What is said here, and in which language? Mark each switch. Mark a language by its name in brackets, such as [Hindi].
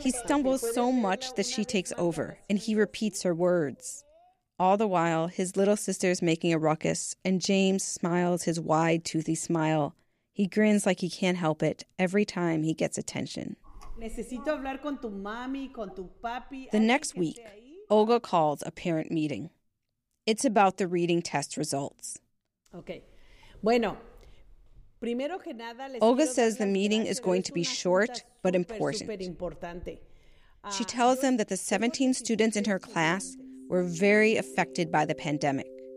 [English] He stumbles so much that she takes over, and he repeats her words. All the while, his little sister is making a ruckus, and James smiles his wide, toothy smile. He grins like he can't help it every time he gets attention. [Spanish] Necesito hablar con tu mami, con tu papi. [English] The next week, Olga calls a parent meeting. It's about the reading test results. [Spanish] Okay. Bueno, primero que nada, [English] Olga says the meeting is going to be short, but important. She tells them that the 17 students in her class were very affected by the pandemic.